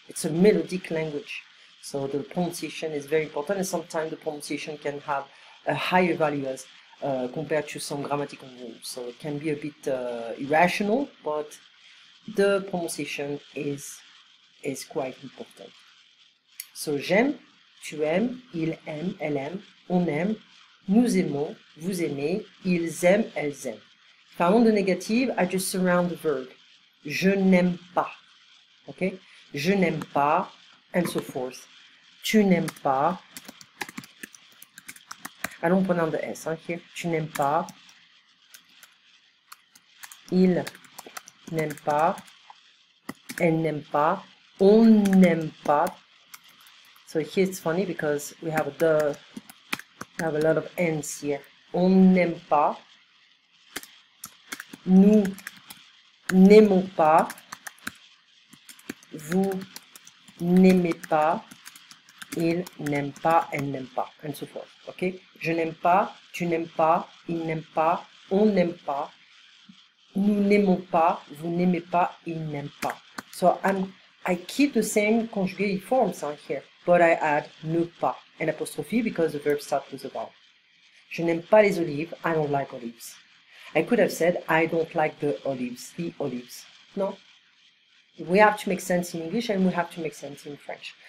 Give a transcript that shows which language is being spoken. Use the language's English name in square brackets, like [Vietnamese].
[English] It's a melodic language. So the pronunciation is very important, and sometimes the pronunciation can have a higher value as compared to some grammatical rules. So it can be a bit irrational, but the pronunciation is quite important. [French] So j'aime, tu aimes, il aime, elle aime, on aime, nous aimons, vous aimez, ils aiment, elles aiment. Parlons de négative, [English] I just surround the verb. [French] Je n'aime pas. Okay? Je n'aime pas, [English] and so forth. [French] Tu n'aimes pas. Allons prenant de S, hein, here. Tu n'aimes pas. Il n'aime pas. Elle n'aime pas. On n'aime pas. [English] So here it's funny because we have a lot of N's here. [French] On n'aime pas. Nous n'aimons pas. Vous n'aimez pas. Il n'aime pas, elle n'aime pas, [English] and so forth. [French] Okay? Je n'aime pas, tu n'aimes pas, il n'aime pas, on n'aime pas, nous n'aimons pas, vous n'aimez pas, il n'aime pas. [English] So I keep the same conjugated forms on here, but I add ne pas, an apostrophe, because the verb starts with a vowel. [French] Je n'aime pas les olives, [English] I don't like olives. I could have said I don't like the olives. No? We have to make sense in English and we have to make sense in French.